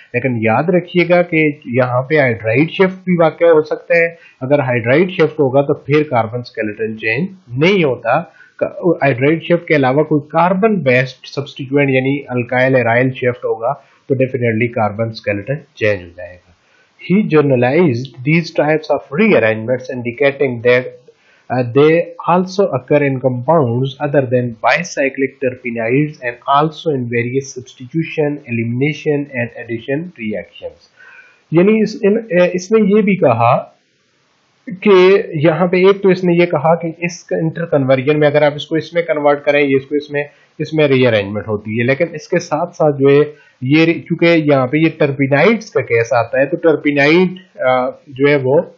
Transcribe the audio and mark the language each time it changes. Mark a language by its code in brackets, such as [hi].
[hi] लेकिन याद रखिएगा कि यहाँ पे हाइड्राइड शिफ्ट भी वाक्य हो सकता है, अगर हाइड्राइड शिफ्ट होगा तो फिर कार्बन स्केलेटन चेंज नहीं होता, हाइड्राइड शिफ्ट के अलावा कोई कार्बन बेस्ड सब्स्टिट्यूएंट यानी अल्काइल एराइल शिफ्ट होगा तो डेफिनेटली कार्बन स्केलेटन चेंज हो जाएगा। [en] He generalized these types of rearrangements, indicating that they also occur in compounds other than bicyclic terpenoids and also in various substitution, elimination and addition reactions. [hi] यानी इसने ये भी कहा कि यहाँ पे, एक तो इसने ये कहा कि इस interconversion में अगर आप इसको इसमें convert करें, ये इसको इसमें, इसमें rearrangement होती है, लेकिन इसके साथ साथ जो है ये, चूंकि यहाँ पे ये टर्पिनाइड्स का केस आता है, तो टर्पिनाइड जो है वो